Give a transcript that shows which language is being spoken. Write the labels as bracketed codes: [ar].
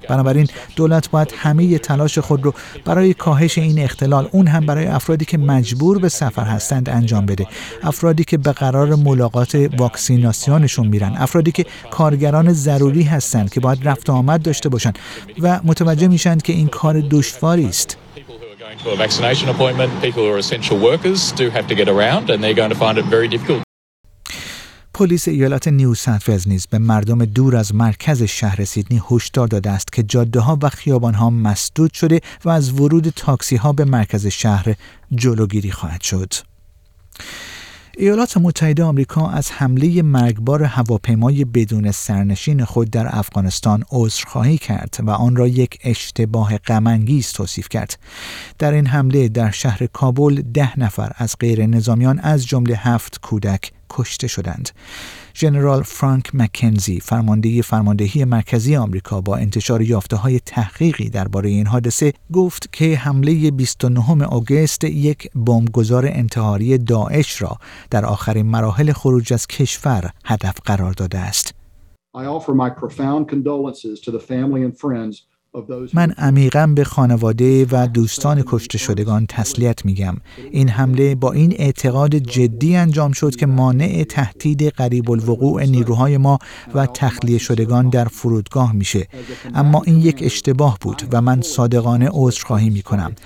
[fa] بنابراین دولت باید همه تلاش خود رو برای کاهش این اختلال، اون هم برای افرادی که مجبور به سفر هستند، انجام بده. افرادی که به قرار ملاقات واکسیناسیونشون میرن، افرادی که کارگران ضروری هستند که باید رفت و آمد داشته باشن و متوجه میشن که این کار دشواری است. [en] To a vaccination appointment, people who are essential workers do have to get around, and they're going to find it very difficult. [fa] پلیس ایالت نیو ساوت ولز نیز به مردم دور از مرکز شهر سیدنی هشدار داده است که جاده‌ها و خیابان‌ها مسدود شده و از ورود تاکسی‌ها به مرکز شهر جلوگیری خواهد شد. ایالات متحده آمریکا از حمله مرگبار هواپیمای بدون سرنشین خود در افغانستان عذرخواهی کرد و آن را یک اشتباه غم‌انگیز توصیف کرد. در این حمله در شهر کابل 10 نفر از غیر نظامیان از جمله 7 کودک کشته شدند. جنرال فرانک مکنزی، فرمانده فرماندهی مرکزی آمریکا، با انتشار یافته‌های تحقیقی درباره این حادثه گفت که حمله 29 آگوست یک بمب‌گذار انتحاری داعش را در آخرین مراحل خروج از کشور هدف قرار داده است. [en] I offer my profound condolences to the family and friends. [fa] من عمیقاً به خانواده و دوستان کشته شدگان تسلیت میگم. این حمله با این اعتقاد جدی انجام شد که مانع تهدید قریب الوقوع نیروهای ما و تخلیه شدگان در فرودگاه میشه. اما این یک اشتباه بود و من صادقانه عذرخواهی میکنم.